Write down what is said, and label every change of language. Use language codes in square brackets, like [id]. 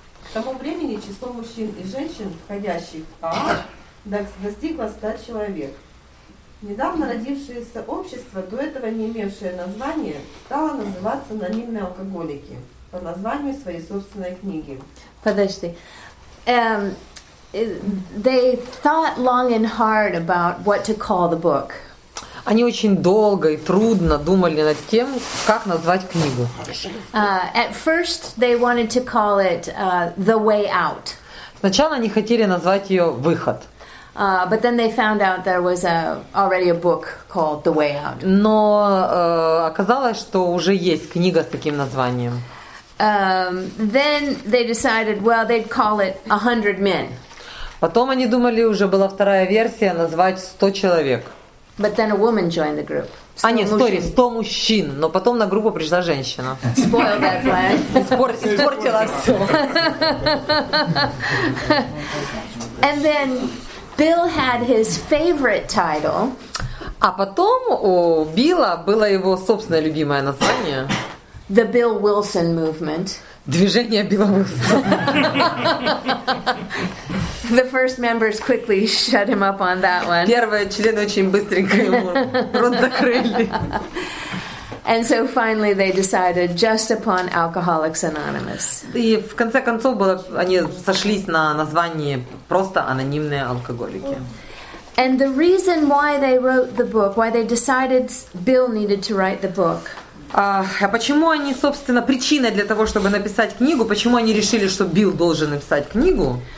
[ru] К тому времени число мужчин и женщин, входящих в АА, достигло 100 человек. Недавно родившееся общество, до этого не имевшее название, стало называться «Анонимные алкоголики» по названию своей собственной книги. Подожди. [en] They thought long and hard about what to call the book. [ru] Они очень долго и трудно думали над тем, как назвать книгу. [en] At first they wanted to call it The Way Out. [ru] Сначала они хотели назвать ее Выход. [en] But then they found out there was already a book called The Way Out. [ru] Но оказалось, что уже есть книга с таким названием. [en] Then they decided, well, they'd call it 100 Men. [ru] Потом они думали, уже была вторая версия, назвать 100 человек. [en] But then a woman joined the group. [ru] А нет, сори, 100 мужчин. Но потом на группу пришла женщина. [en] Spoiled that plan. [ru] Испортила все. [en] And then Bill had his favorite title. [ru] А потом у Билла было его собственное любимое название. [en] The Bill Wilson Movement. [ru] Движение Билла Уилсона. [en] The first members quickly shut him up on that one. [ru] Первые члены очень быстренько ему рот закрыли. [en] And so finally they decided just upon Alcoholics Anonymous. [ru] И в конце концов было, они сошлись на название просто анонимные алкоголики. [en] And the reason why they wrote the book, why they decided Bill needed to write the book. [ru] А почему они, собственно, причина для того, чтобы написать книгу, почему они решили, что Билл должен написать книгу?